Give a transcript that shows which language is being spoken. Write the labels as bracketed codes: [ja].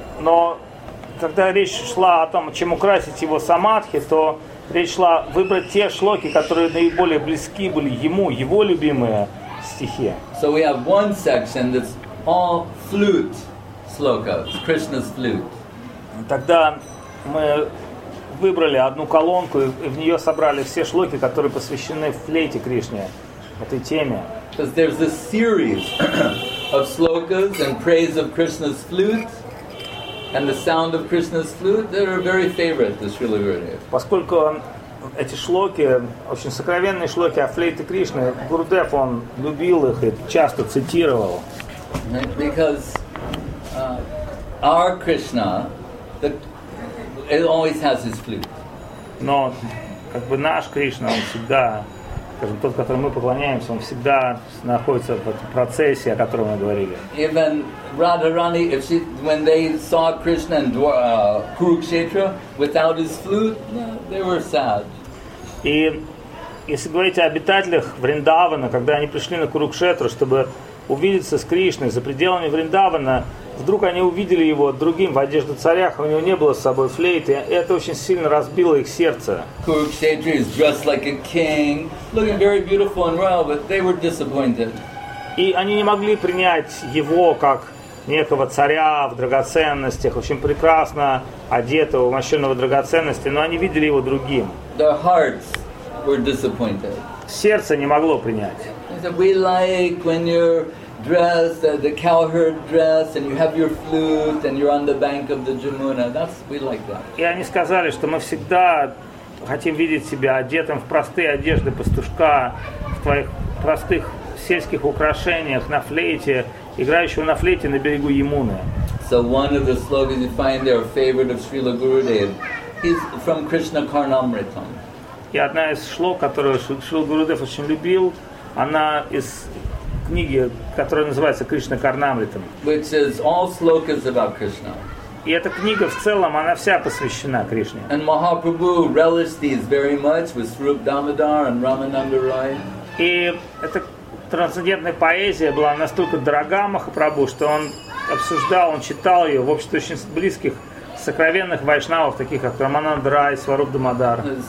[ru] Но когда речь шла о том, чем украсить его самадхи, то... Речь шла выбрать те шлоки, которые наиболее близки были ему, его любимые стихи. [en] So we have one section that's all flute sloka, Krishna's flute. [ru] Тогда мы выбрали одну колонку и в нее собрали все шлоки, которые посвящены флейте Кришне, этой теме. [en] Because there's a series of slokas and praise of Krishna's flute. And the sound of Krishna's flute, they are very favorite, the Srila Gurudev. [ru] Поскольку эти шлоки, очень сокровенные шлоки о флейте Кришны, Гурудев, он любил их и часто цитировал. [en] Because our Krishna, it always has his flute. [ru] Но как бы наш Кришна, он всегда, скажем, тот, которому мы поклоняемся, он всегда находится в этом процессе, о котором мы говорили. [en] Even Radharani, if she, when they saw Krishna in Kurukshetra without his flute, they were sad. [ru] И если говорить о обитателях Вриндавана, когда они пришли на Курукшетру, чтобы увидеться с Кришной за пределами Вриндавана, вдруг они увидели его другим в одежде царя, у него не было с собой флейты, это очень сильно разбило их сердце. [en] Kurukshetra is dressed like a king, looking very beautiful and royal, but they were disappointed. [ru] И они не могли принять его как некого царя в драгоценностях, очень прекрасно одетого, умощенного в драгоценности, но они видели его другим. [en] Their hearts were disappointed. [ru] Сердце не могло принять. [en] They said, we like when you're dressed, the cowherd dress, and you have your flute, and you're on the bank of the Jamuna. That's, we like that. [ru] И они сказали, что мы всегда хотим видеть себя одетым в простые одежды пастушка, в твоих простых сельских украшениях, на флейте, играющего на флейте на берегу Ямуны. [en] So one of the slogans you find there, favorite of Srila Gurudev, is from Krishna Karnamritam. [ru] И одна из шлок, которую Шрила Гурудев очень любил, она из книги, которая называется Krishna Karnamritam. [en] Which is all slokas about Krishna. [ru] И эта книга в целом, она вся посвящена Кришне. [en] And Mahaprabhu relished these very much with Srup Damodar and Ramananda Rai. [ru] И это трансцендентная поэзия была настолько дорога Махапрабху, что он обсуждал, он читал ее в обществе очень близких сокровенных вайшнавов, таких как Рамананда Рай, Сваруп Дамодар.